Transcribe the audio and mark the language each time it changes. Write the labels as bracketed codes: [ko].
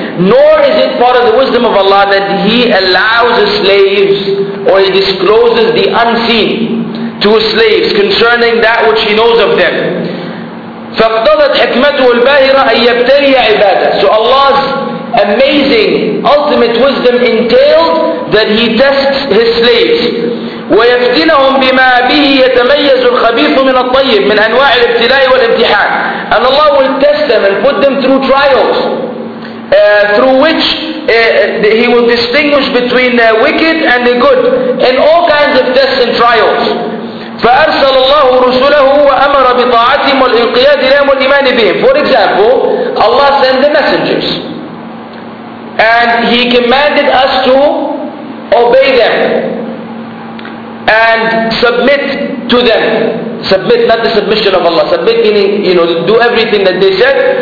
[en] Nor is it part of the wisdom of Allah that He allows the slaves, or He discloses the unseen to His slaves concerning that which He knows of them. [ar] فاقتضت حكمته الباهرة أن يبتلي عباده. [en] So Allah's amazing ultimate wisdom entailed that He tests His slaves. [ar] ويفتنهم بما به يتميز الخبيث من الطيب من أنواع الابتلاء والامتحان. [en] And Allah will test them and put them through trials, through which He will distinguish between the wicked and the good, and all kinds of tests and trials. [ar] فأرسل الله رسله وأمر بطاعتهم والانقياد لهم والإيمان بهم. [en] For example, Allah sent the messengers, and He commanded us to obey them and submit to them. Submit, not the submission of Allah. Submit meaning, you know, do everything that they said.